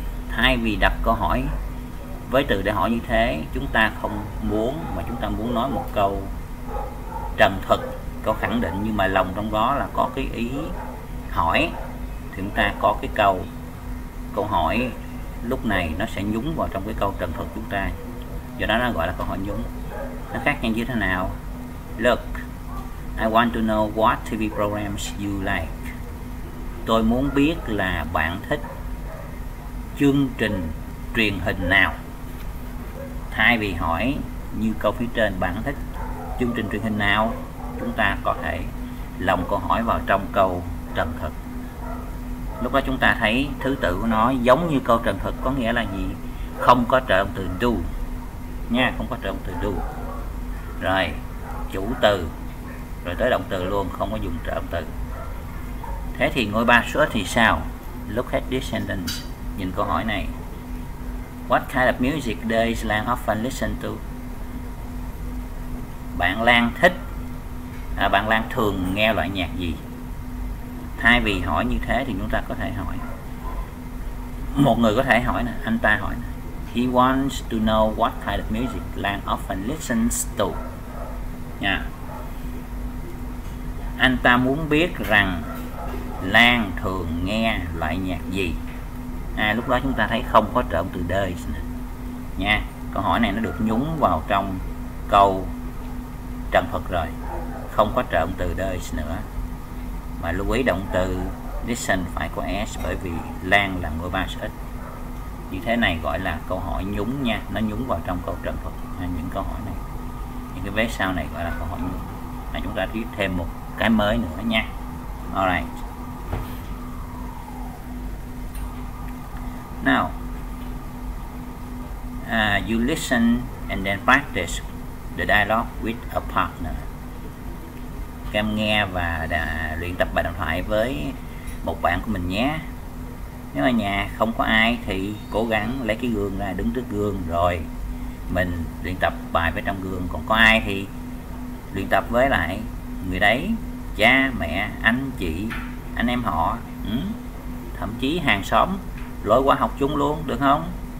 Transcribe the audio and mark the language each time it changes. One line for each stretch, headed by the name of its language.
Vietnamese: Thay vì đặt câu hỏi với từ để hỏi như thế, chúng ta không muốn, mà chúng ta muốn nói một câu trần thuật, câu khẳng định, nhưng mà lòng trong đó là có cái ý hỏi, thì chúng ta có cái câu hỏi lúc này nó sẽ nhúng vào trong cái câu trần thuật chúng ta, do đó nó gọi là câu hỏi nhúng. Nó khác nhau như thế nào?
English: Look, I want to know what TV programs you like.
Vietnamese: Tôi muốn biết là bạn thích chương trình truyền hình nào. Thay vì hỏi như câu phía trên bạn thích chương trình truyền hình nào, chúng ta có thể lồng câu hỏi vào trong câu trần thuật. Lúc đó chúng ta thấy thứ tự của nó giống như câu trần thuật, có nghĩa là gì? Không có trợ động từ do nha, không có trợ động từ do. Rồi, chủ từ rồi tới động từ luôn, không có dùng trợ động từ. Thế thì ngôi ba số thì sao?
English: Look at this sentence.
Vietnamese: Nhìn câu hỏi này.
English: What kind of music does Lan often listen to?
Vietnamese: Bạn Lan thích à, bạn Lan thường nghe loại nhạc gì? Thay vì hỏi như thế thì chúng ta có thể hỏi. Một người có thể hỏi nè, anh ta hỏi nè.
English: He wants to know what kind of music Lan often listens to.
Vietnamese: Nha. Anh ta muốn biết rằng Lan thường nghe loại nhạc gì? À, lúc đó chúng ta thấy không có trợ từ does nha. Câu hỏi này nó được nhúng vào trong câu trần thuật rồi, không có trợ từ does nữa. Mà lưu ý động từ listen phải có s, bởi vì Lan là ngôi ba sở thích. Như thế này gọi là câu hỏi nhúng nha, nó nhúng vào trong câu trần thuật. À, những câu hỏi này, những cái vế sau này gọi là câu hỏi nhúng. À, chúng ta viết thêm một cái mới nữa nha.
English: Alright. Now, you listen and then practice the dialogue with a partner.
Vietnamese: Các em nghe và luyện tập bài đàm thoại với một bạn của mình nhé. Nếu ở nhà không có ai thì cố gắng lấy cái gương ra, đứng trước gương rồi mình luyện tập bài với trong gương. Còn có ai thì luyện tập với lại người đấy, cha, mẹ, anh, chị, anh em họ, thậm chí hàng xóm, lối qua học chung luôn được không?